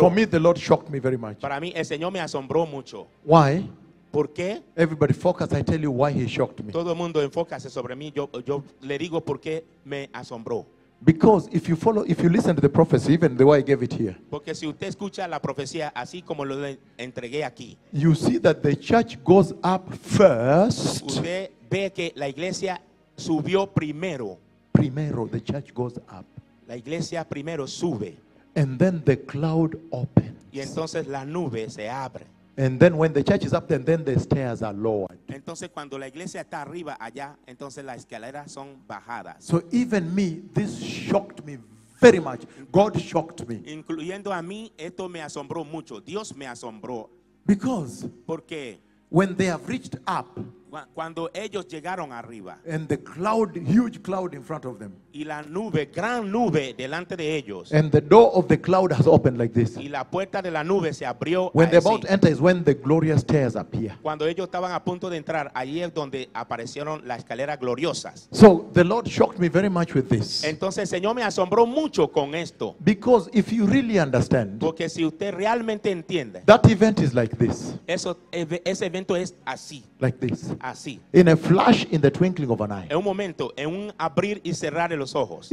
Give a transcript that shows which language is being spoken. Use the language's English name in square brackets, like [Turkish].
[English] For me, the Lord shocked me very much. [Spanish] Para mí el Señor me asombró mucho. [English] Why? [Spanish] ¿Por qué? [English] Everybody focus, I tell you why he shocked me. [Spanish] Todo el mundo enfócase sobre mí. Yo le digo por qué me asombró. [English] Because if you follow, if you listen to the prophecy, even the way I gave it here. [Spanish] Porque si usted escucha la profecía así como lo entregué aquí. [English] You see that the church goes up first. [Spanish] Usted ve que la iglesia subió primero. Primero, [English] the church goes up. [Spanish] La iglesia primero sube. [English] And then the cloud opens. [Spanish] Y entonces la nube se abre. [English] And then when the church is up there, then the stairs are lowered. [Spanish] Entonces cuando la iglesia está arriba allá, entonces las escaleras son bajadas. [English] So even me, this shocked me very much. God shocked me. [Spanish] Incluyendo a mí, esto me asombró mucho. Dios me asombró. [English] Because [Spanish] porque [English] when they have reached up, [Spanish] cuando ellos llegaron arriba, [English] and the cloud, huge cloud in front of them, [Spanish] y la nube, gran nube delante de ellos, [English] and the door of the cloud has opened like this, [Spanish] y la puerta de la nube se abrió, [English] when they're about to enter is when the glorious stairs appear. [Spanish] Cuando ellos estaban a punto de entrar, allí es donde aparecieron las escaleras gloriosas. [English] So the Lord shocked me very much with this. [Spanish] Entonces el Señor me asombró mucho con esto. [English] Because if you really understand, [Spanish] porque si usted realmente entiende, [English] that event is like this. [Spanish] Eso, ese evento es así. [English] Like this. [Spanish] Así. [English] In a flash, in the twinkling of an eye. [Spanish] En un momento, en un abrir y cerrar de los ojos.